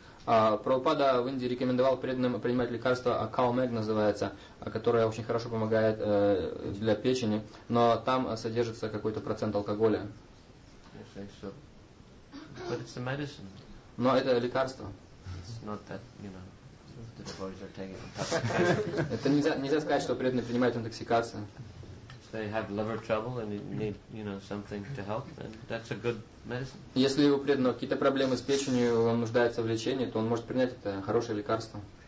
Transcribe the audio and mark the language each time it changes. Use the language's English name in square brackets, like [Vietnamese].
[Russian] Прабхупада в Индии рекомендовал преданным принимать лекарство, Kalmeg называется, которое очень хорошо помогает для печени, но там содержится какой-то процент алкоголя. [English] Yes, I so. But it's a medicine. [Russian] Но это лекарство. [English] Not that the devotees are taking intoxication. [Russian] Это нельзя сказать, что преданные принимают интоксикацию. [English] If they have liver trouble and need something to help, then that's a good medicine. [Russian] Если у преданного какие-то проблемы с печенью, он нуждается в лечении, то он может принять это хорошее лекарство.